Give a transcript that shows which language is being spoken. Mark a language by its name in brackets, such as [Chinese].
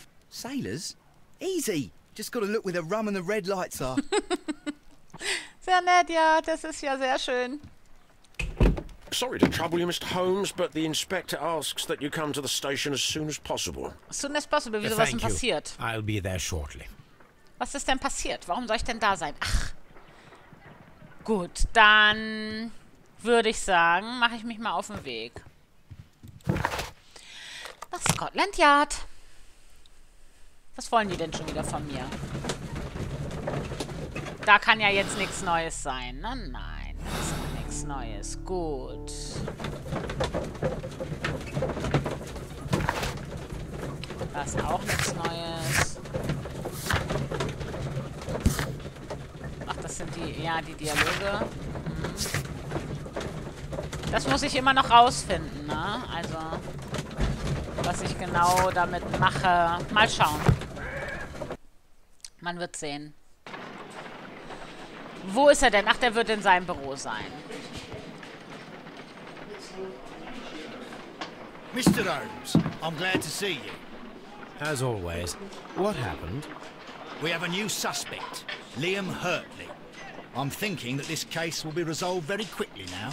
[English] Sailors? Easy. Just got to look where the rum and the red lights are. [German] Sehr nett, ja. Das ist ja sehr schön. [English] Sorry to trouble you, Mr. Holmes, but the inspector asks that you come to the station as soon as possible. As soon as possible? [German] Wieso, was denn passiert? [English] I'll be there shortly. [German] Was ist denn passiert? Warum soll ich denn da sein? Ach. Gut, dann würde ich sagen, mache ich mich mal auf den Weg. Nach Scotland Yard. Was wollen die denn schon wieder von mir? Da kann ja jetzt nichts Neues sein. Na, nein, das ist nichts Neues. Gut. Das ist auch nichts Neues. Ach, das sind die, ja, die Dialoge. Das muss ich immer noch rausfinden, ne? Also, was ich genau damit mache. Mal schauen. Man wird sehen. Wo ist er denn? Ach, der wird in seinem Büro sein. [English] Mr. Holmes, I'm glad to see you. As always, what happened? We have a new suspect, Liam Hurtley. I'm thinking that this case will be resolved very quickly now.